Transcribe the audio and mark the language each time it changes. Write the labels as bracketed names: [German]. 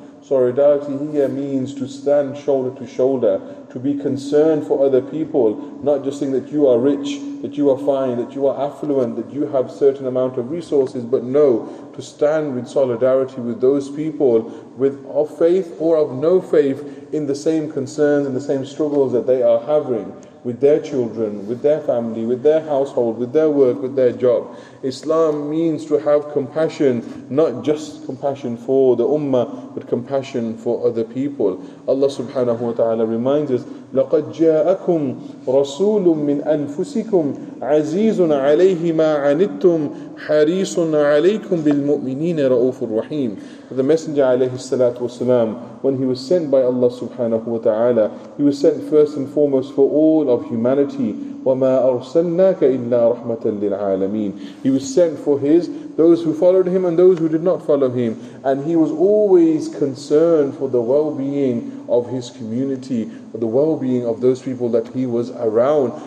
[English] Solidarity here means to stand shoulder to shoulder, to be concerned for other people, not just think that you are rich, that you are fine, that you are affluent, that you have certain amount of resources, but no, to stand with solidarity with those people with of faith or of no faith in the same concerns and the same struggles that they are having with their children, with their family, with their household, with their work, with their job. Islam means to have compassion, not just compassion for the ummah, but compassion for other people. Allah subhanahu wa ta'ala reminds us, [Arabic] لَقَدْ جَاءَكُمْ رَسُولٌ مِّنْ أَنفُسِكُمْ عَزِيزٌ عَلَيْهِ مَا عَنِتُّمْ حَرِيصٌ عَلَيْكُمْ بِالْمُؤْمِنِينَ رَؤُوفٌ رَحِيمٌ. [English] The Messenger alayhi salatu wasalam, when he was sent by Allah subhanahu wa ta'ala, he was sent first and foremost for all of humanity. [Arabic] وَمَا أَرْسَلْنَاكَ إِلَّا رَحْمَةً لِلْعَالَمِينَ. [English] He was sent for those who followed him and those who did not follow him. And he was always concerned for the well-being of his community, for the well-being of those people that he was around.